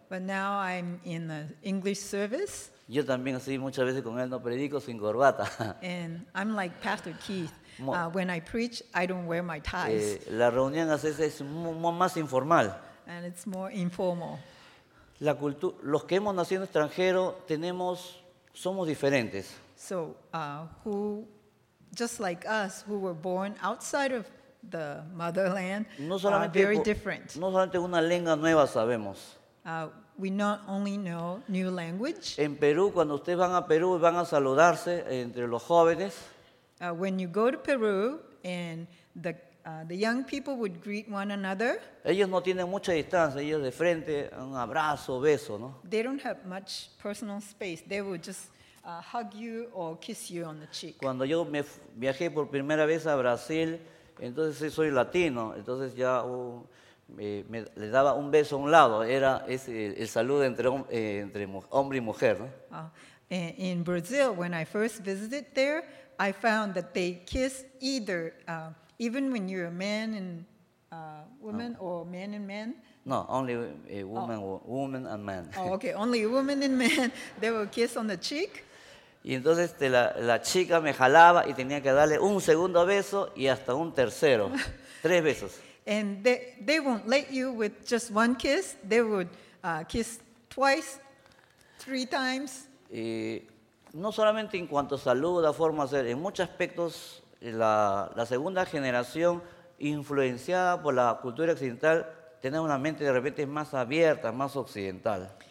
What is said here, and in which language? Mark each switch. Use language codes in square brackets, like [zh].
[en] But now I'm in the English service. [es] Yo también así muchas veces con él no predico sin corbata. [en] And I'm like Pastor Keith. When I preach, I don't wear my ties. [es] La reunión a veces es más informal. [en] And it's more informal. [es] La cultura, los que hemos nacido en extranjero somos diferentes. [en] So, who, just like us, who were born outside of the motherland, are very different. [es] No solamente una lengua nueva sabemos. [en] We not only know new language. [es] En Perú, cuando ustedes van a Perú y van a saludarse entre los jóvenes, [en] when you go to Peru and the young people would greet one another, [es] ellos no tienen mucha distancia, ellos de frente, un abrazo, beso, ¿no? [en] They don't have much personal space. They would just hug you or kiss you on the cheek. [es] Cuando yo me viajé por primera vez a Brasil, entonces sí soy latino, entonces ya le daba un beso a un lado, era el saludo entre hombre y mujer, ¿no? [en] In Brazil, when I first visited there, I found that they kiss either, even when you're a man and woman, no. Or man and man. No, only a woman, woman and man. Oh, okay, only a woman and man, they will kiss on the cheek. [es] Y entonces la chica me jalaba y tenía que darle un segundo beso y hasta un tercero, tres besos. [en] And they won't let you with just one kiss. They would kiss twice, three times. [es] Y no solamente en cuanto a salud, a forma de ser, en muchos aspectos la segunda generación influenciada por la cultura occidental tiene una mente de repente más abierta, más occidental.